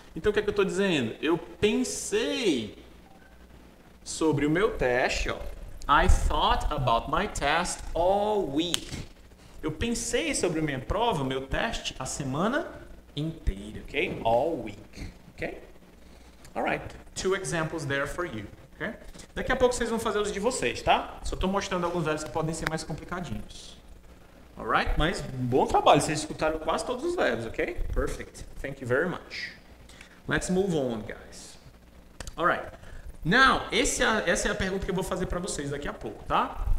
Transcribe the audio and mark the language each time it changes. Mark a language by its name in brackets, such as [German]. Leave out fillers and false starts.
[Portuguese] Então, o que é que eu tô dizendo? Eu pensei sobre o meu teste, ó. [English] I thought about my test all week. [Portuguese] Eu pensei sobre a minha prova, meu teste, a semana inteira, ok? [English] All week, ok? All right, two examples there for you, ok? [Portuguese] Daqui a pouco vocês vão fazer os de vocês, tá? Só estou mostrando alguns verbos que podem ser mais complicadinhos. [English] All right, [Portuguese] mas bom trabalho, vocês escutaram quase todos os verbos, ok? [English] Perfect, thank you very much. Let's move on, guys. All right. [Portuguese] Now, essa é a pergunta que eu vou fazer para vocês daqui a pouco, tá?